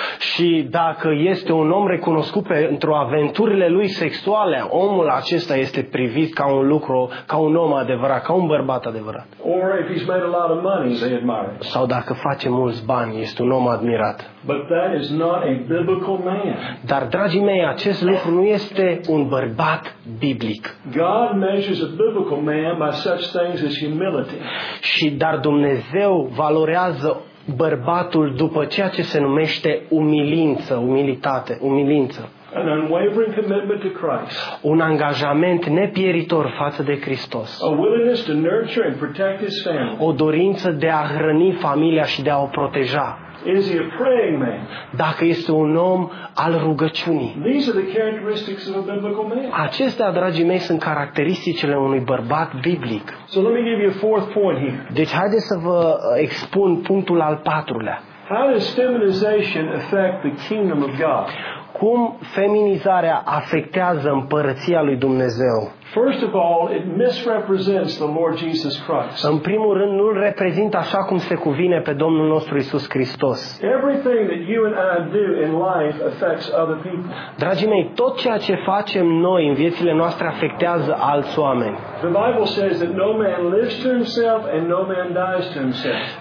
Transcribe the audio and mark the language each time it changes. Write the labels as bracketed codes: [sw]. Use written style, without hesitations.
[ro] Și dacă este un om recunoscut pentru aventurile lui sexuale, omul acesta este privit ca un lucru, ca un om adevărat, ca un bărbat adevărat. [en] Or if he's made a lot of money, they admire him. [ro] Sau dacă face mulți bani, este un om admirat. [en] But that is not a biblical man. [ro] Dar, dragii mei, acest lucru nu este un bărbat biblic. [en] God measures a biblical man by such things as humility. [ro] Și dar Dumnezeu valorează bărbatul după ceea ce se numește umilință, umilitate, umilință. [en] An unwavering commitment to Christ. [ro] Un angajament nepieritor față de Hristos. [en] A willingness to nurture and protect his family. [ro] O dorință de a hrăni familia și de a o proteja. [en] Is he a praying man? [ro] Dacă este un om al rugăciunii. [en] These are the characteristics of a biblical man. [ro] Acestea, dragii mei, sunt caracteristicile unui bărbat biblic. [en] So let me give you a fourth point here. [ro] Deci haideți să vă expun punctul al patrulea. [en] How does feminization affect the kingdom of God? [ro] Cum feminizarea afectează împărăția lui Dumnezeu? [en] First of all, it misrepresents the Lord Jesus Christ. [ro] În primul rând, nu-l reprezintă așa cum se cuvine pe Domnul nostru Iisus Hristos. [en] Everything that you and I do in life affects other people. [ro] Dragii mei, tot ceea ce facem noi în viețile noastre afectează alți oameni. [en] The Bible says that no man lives to himself and no man dies to himself.